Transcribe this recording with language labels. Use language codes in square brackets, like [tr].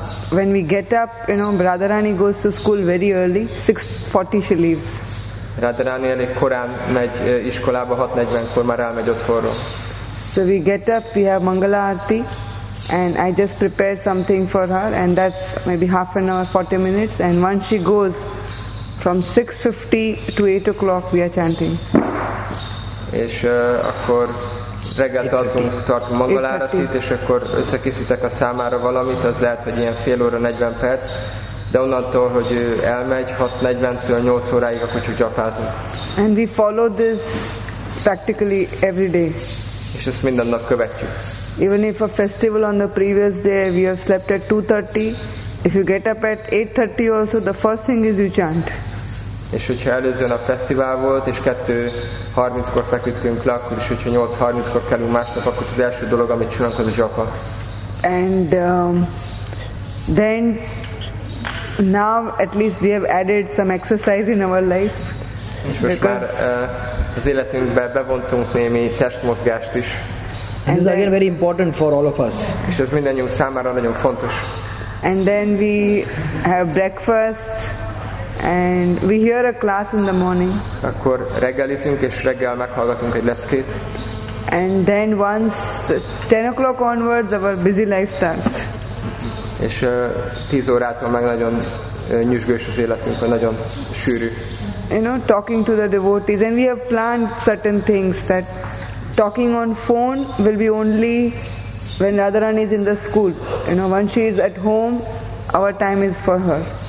[en] When we get up, you know, Radharani goes to school very early, 6:40 she leaves. [hu] Radharani elég korán megy iskolába, 6:40-kor már elmegy otthonról. [en] So we get up, we have Mangala Aarti, and I just prepare something for her, and that's maybe half an hour, 40 minutes, and once she goes, from 6:50 to 8 o'clock we are chanting. [hu] És akkor reggel tartunk Mangala Aartit, és akkor összekészítek a számára valamit, az lehet, hogy ilyen fél óra, 40 perc, de onnantól, hogy ő elmegy, 6:40-től 8 óráig, akkor csak japázunk. [en] And we follow this practically every day. [hu] És ezt minden nap követjük. [en] Even if a festival on the previous day we have slept at 2:30, if you get up at 8:30 also, the first thing is you chant. [hu] És hogyha előzően a fesztivál volt, és 2:30-kor feküdtünk le, akkor is, hogyha 8:30-kor kelünk másnap, akkor az első dolog, amit csinálunk, az a japa. [en] And then, now at least we have added some exercise in our life. [hu] És most már az életünkbe bevontunk némi testmozgást is. [en] And this is again very important for all of us. [hu] És ez mindannyiunk számára nagyon fontos. [en] And then we have breakfast and we hear a class in the morning. [hu] Akkor reggelizünk és reggel meghallgatunk egy leckét. [en] And then once 10 o'clock onwards our busy life starts. [hu] És 10 órától meg nagyon nyüzsgős az életünk, vagy nagyon sűrű. [en] You know, talking to the devotees, and we have planned certain things that talking on phone will be only when Radharani is in the school. You know, when she is at home, our time is for her.